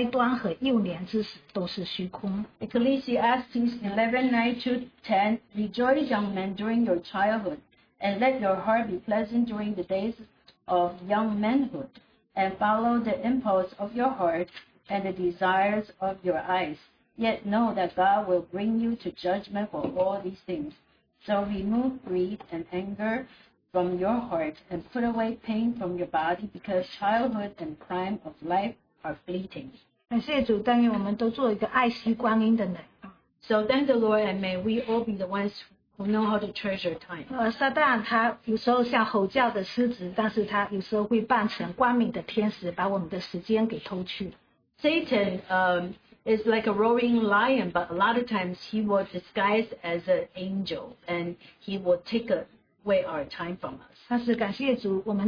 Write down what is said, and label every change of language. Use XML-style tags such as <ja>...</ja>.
<zh>在幼年的日子，使你的心欢畅，行你所愿行的，看你眼所爱看的，却要知道，为这一切的事，神必审问你。所以你当从心中除掉愁烦，从肉体刻去邪恶，因为一生的开端和幼年之时都是虚空。</zh> <en>Ecclesiastes 11:9-10. Rejoice, young men, during your childhood, and let your heart be pleasant during the days of young manhood, and follow the impulse of your heart and the desires of your eyes. Yet know that God will bring you to judgment for all these things. So remove grief and anger from your heart, and put away pain from your body, because childhood and prime of life are fleeting. So thank the Lord, and may we all be the ones who know how to treasure time.</en> <zh>撒旦他有时候像吼叫的狮子，但是他有时候会扮成光明的天使，把我们的时间给偷去。</zh> <en>Satan is like a roaring lion, but a lot of times he will disguise as an angel, and he will take away our time from us.</en>